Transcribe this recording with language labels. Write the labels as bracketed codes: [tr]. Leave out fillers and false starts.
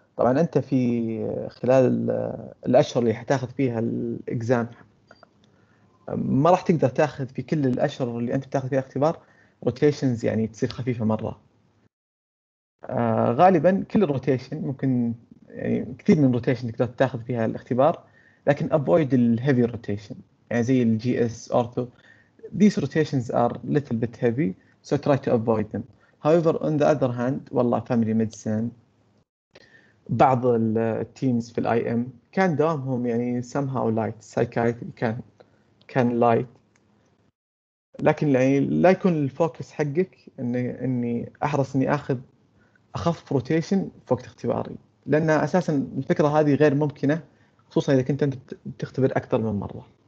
[ar] طبعا أنت في خلال الأشهر اللي حتاخذ فيها الإكزام ما راح تقدر تاخذ في كل الأشهر اللي أنت بتاخذ فيها اختبار روتيشنز يعني تصير خفيفة مرة. غالبا كل الروتيشن ممكن يعني كثير من الروتيشن تقدر تاخذ فيها الاختبار، لكن avoid الهيفي روتيشن يعني زي الجي اس اورثو. [en] These rotations are little bit heavy so try to avoid them. However on the other hand [ar] والله family medicine بعض التيمز في الاي ام كان دوامهم يعني somehow light. Psychiatry كان لايت، لكن يعني لا يكون الفوكس حقك اني احرص اني اخذ اخف روتيشن في وقت اختباري، لان اساسا الفكره هذه غير ممكنه خصوصا اذا كنت انت تختبر اكثر من مره.